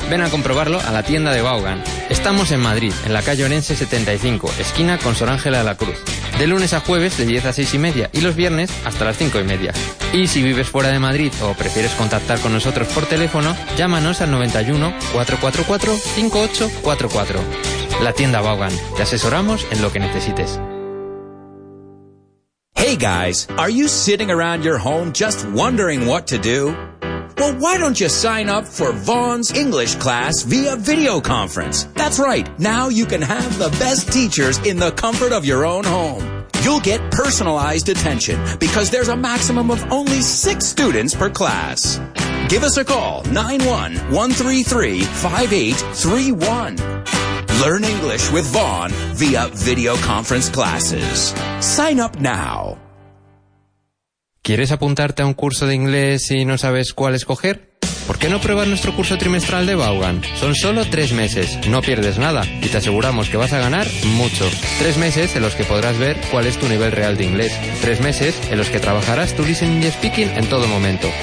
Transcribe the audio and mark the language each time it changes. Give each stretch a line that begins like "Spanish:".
Spanish: Ven a comprobarlo a la tienda de Vaughan. Estamos en Madrid, en la calle Orense 75, esquina con Sor Ángela de la Cruz. De lunes a jueves de 10 a 6 y media y los viernes hasta las 5 y media. Y si vives fuera de Madrid o prefieres contactar con nosotros por teléfono, llámanos al 91-444-5844. La tienda Vaughan. Te asesoramos en lo que necesites.
English: Hey guys, are you sitting around your home just wondering what to do? Well, why don't you sign up for Vaughn's English class via video conference? That's right. Now you can have the best teachers in the comfort of your own home. You'll get personalized attention because there's a maximum of only 6 students per class. Give us a call, 91-133-5831. Learn English with Vaughn via video conference classes. Sign up now.
Spanish: ¿Quieres apuntarte a un curso de inglés y no sabes cuál escoger? ¿Por qué no pruebas nuestro curso trimestral de Vaughan? Son solo 3 meses, no pierdes nada y te aseguramos que vas a ganar mucho. 3 meses en los que podrás ver cuál es tu nivel real de inglés. 3 meses en los que trabajarás tu listening y speaking en todo momento.